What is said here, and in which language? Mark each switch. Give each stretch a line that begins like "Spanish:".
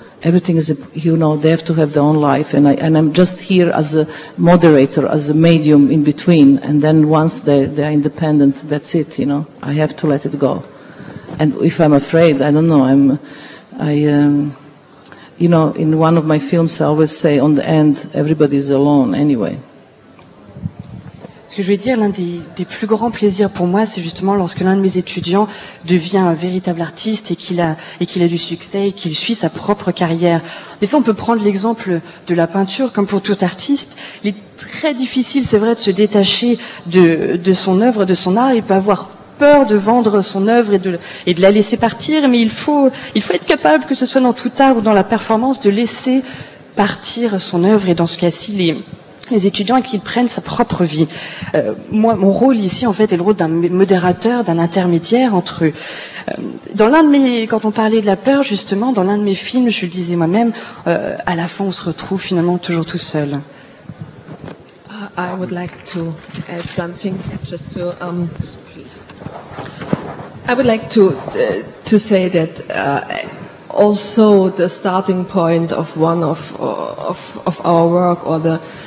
English: Everything is, you know, they have to have their own life, and I'm just here as a moderator, as a medium in between. And then once they are independent, that's it, you know. I have to let it go. And if I'm afraid, I don't know. You know, in one of my films, I always say, on the end, everybody's alone anyway.
French: Ce que je veux dire, l'un des plus grands plaisirs pour moi, c'est justement lorsque l'un de mes étudiants devient un véritable artiste et qu'il a du succès et qu'il suit sa propre carrière. Des fois, on peut prendre l'exemple de la peinture, comme pour tout artiste. Il est très difficile, c'est vrai, de se détacher de son œuvre, de son art. Il peut avoir peur de vendre son œuvre et de la laisser partir, mais il faut être capable, que ce soit dans tout art ou dans la performance, de laisser partir son œuvre, et dans ce cas-ci, les étudiants, et qu'ils prennent sa propre vie. Moi, mon rôle ici, en fait, est le rôle d'un modérateur, d'un intermédiaire entre eux. Quand on parlait de la peur, justement, dans l'un de mes films, je le disais moi-même, à la fin, on se retrouve finalement toujours tout seul.
English: I would like to add something, just to... I would like to say that also the starting point of one of our work, or the